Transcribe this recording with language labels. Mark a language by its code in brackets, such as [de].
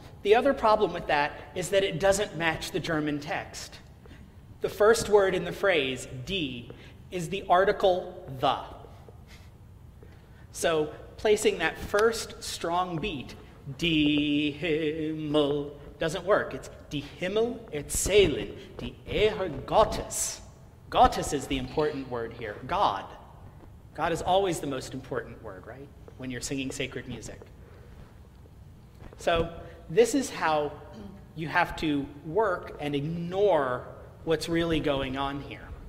[en] The other problem with that is that it doesn't match the German text. The first word in the phrase, die, is the article the. So placing that first strong beat, [de] die Himmel, [en] doesn't work. It's [de] die Himmel erzählen, die Ehre Gottes. [en] Gottes is the important word here, God. God is always the most important word, right? When you're singing sacred music. So this is how you have to work and ignore what's really going on here.